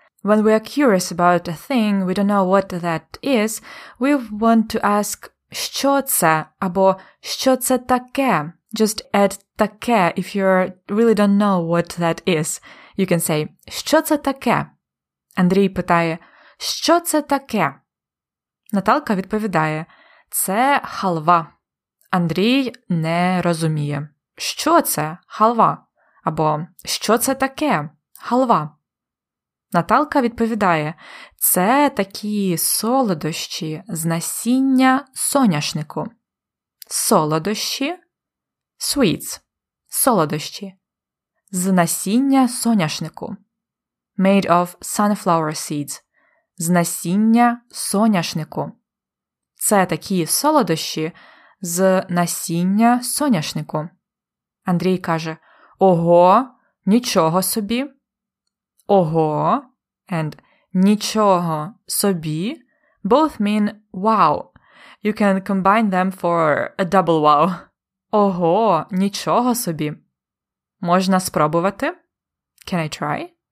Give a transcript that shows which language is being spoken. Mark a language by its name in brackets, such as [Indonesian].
[English] When we are curious about a thing, we don't know what that is, we want to ask [Ukrainian] що це або що це таке? [English] Just add таке if you really don't know what that is. You can say [Ukrainian] що це таке? Андрій питає: "Що це таке?" Наталка відповідає: "Це халва." Андрій не розуміє. Що це? Халва. Або що це таке? Халва. Наталка відповідає: це такі солодощі з насіння соняшнику. Солодощі – sweets. Солодощі – з насіння соняшнику. [English] Made of sunflower seeds. [Ukrainian] З насіння соняшнику. Це такі солодощі з насіння соняшнику. Андрій каже: ого, нічого собі. Ого [English] and [Ukrainian] нічого собі [English] both mean wow. You can combine them for a double wow. [Ukrainian] Ого, нічого собі. Можна спробувати? [English] Can I try?